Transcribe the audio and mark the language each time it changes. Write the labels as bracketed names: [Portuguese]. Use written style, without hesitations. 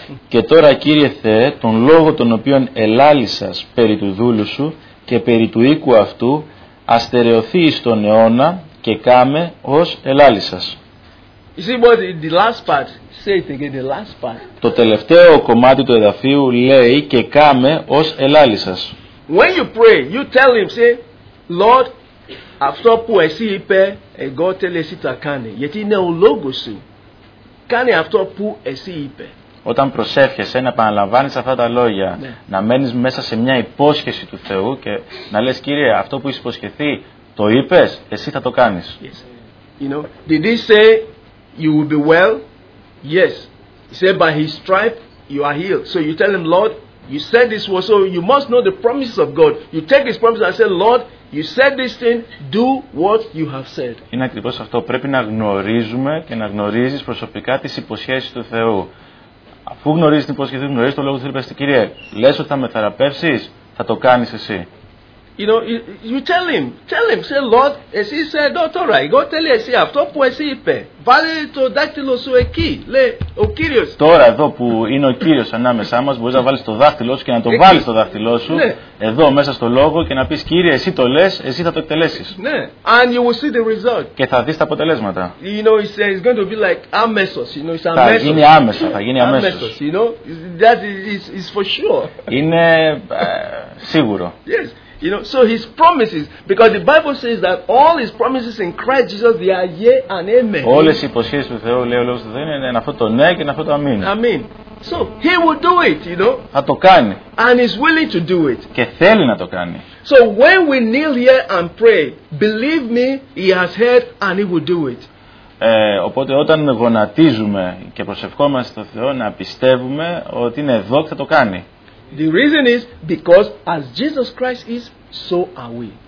[Greek] Και τώρα, Κύριε Θεέ, τον λόγο τον οποίον ελάλησας περί του δούλου σου και περί του οίκου αυτού, αστερεωθεί εις τον αιώνα και κάμε ως ελάλησας. [English] You see what the last part, say it again, the last part. [Greek] Το τελευταίο κομμάτι του εδαφίου λέει και κάμε ως ελάλησας. [English] When you pray, you tell him, say, Lord, [Greek] αυτό που εσύ είπε, εγώ θέλω εσύ τα κάνει. Γιατί είναι ο λόγος σου. Κάνε αυτό που εσύ είπε. όταν προσεύχεσαι να επαναλαμβάνεις αυτά τα λόγια, να μένεις μέσα σε μια υπόσχεση του Θεού και να λες, Κύριε, αυτό που είσαι υποσχεθεί, το είπες, εσύ θα το κάνεις. [English] You know, did he say you will be well? Yes. He said by his stripe you are healed. So you tell him, Lord, you said this was so. You must know the promises of God. You take his promises and say, Lord, you said this thing. Do what you have said. [Greek] Είναι ακριβώς αυτό. Πρέπει να γνωρίζουμε και να γνωρίζεις προσωπικά τις υποσχέσεις του Θεού. Αφού γνωρίζεις την υπόσχεση, γνωρίζεις το λόγο του Θεού, Κύριε, λες ότι θα με θεραπεύσεις, θα το κάνεις εσύ. [English] You know, you tell him, say, Lord, [Greek] εσύ είσαι δόκτωρα, εγώ τέλει εσύ αυτό που εσύ είπε. Βάλε το δάχτυλο σου εκεί, λέει ο Κύριος. Τώρα εδώ που είναι ο Κύριος ανάμεσά μας, μπορείς να βάλεις το δάχτυλό σου και να το βάλεις το δάχτυλό σου, εδώ μέσα στο λόγο και να πεις, Κύριε, εσύ το λες, εσύ θα το εκτελέσεις. [English] Ναι, and you will see the result. [Greek] Και θα δεις τα αποτελέσματα. [English] You know, it's going to be like αμέσως, you know, it's [Greek] αμέσως. Θα γίνει αμέσως. [English] Αμέσως, you know, that is for sure. [Greek] Είναι σίγουρο. [English] Yes. You know, so his promises, because the Bible says that all his promises in Christ Jesus, they are yea and amen. [Greek] Όλες οι υποσχέσεις του Θεού, λέει ο λόγος του Θεού, είναι αυτό το ναι και αυτό το αμήν. [English] Αμήν. So he will do it, you know. [Greek] Θα το κάνει. [English] And he's willing to do it. [Greek] Και θέλει να το κάνει. [English] So when we kneel here and pray, believe me, he has heard and he will do it. [Greek] Οπότε όταν γονατίζουμε και προσευχόμαστε στον Θεό, να πιστεύουμε ότι είναι εδώ και θα το κάνει. [English] The reason is because as Jesus Christ is, so are we.